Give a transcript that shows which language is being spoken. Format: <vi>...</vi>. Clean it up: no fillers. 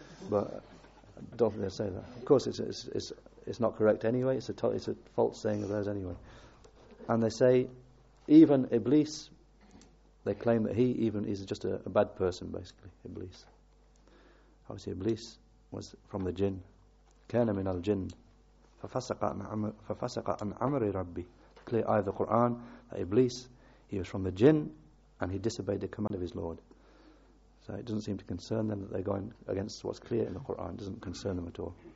<en>But I don't think they'll say that. Of course, it's not correct anyway. It's a false saying of theirs anyway. And they say even Iblis, they claim that he even is just a bad person, basically, Iblis. Obviously, Iblis was from the jinn.</en> <ar>كان من الجن ففسق عن أمر ربي.</ar> <en>Clear eye of the Quran that Iblis, he was from the jinn and he disobeyed the command of his Lord. So it doesn't seem to concern them that they're going against what's clear in the Quran. It doesn't concern them at all.</en>